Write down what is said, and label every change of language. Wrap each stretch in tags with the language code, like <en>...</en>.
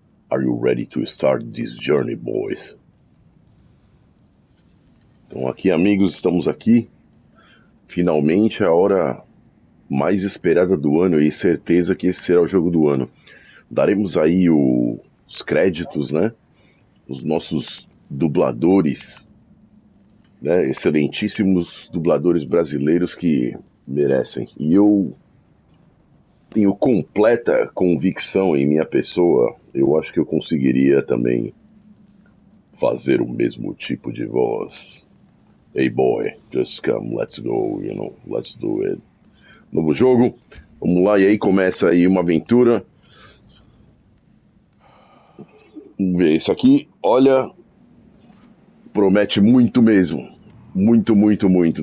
<en>Are you ready to start this journey, boys?</en> <pt>Então aqui, amigos, estamos aqui. Finalmente a hora mais esperada do ano e certeza que esse será o jogo do ano. Daremos aí os créditos, né? Os nossos dubladores, né? Excelentíssimos dubladores brasileiros que merecem. E eu tenho completa convicção em minha pessoa. Eu acho que eu conseguiria também fazer o mesmo tipo de voz.</pt> <en>Hey boy, just come, let's go, you know, let's do it.</en> <pt>Novo jogo, vamos lá, e aí começa aí uma aventura. Vamos ver isso aqui, olha, promete muito mesmo, muito, muito, muito.</pt>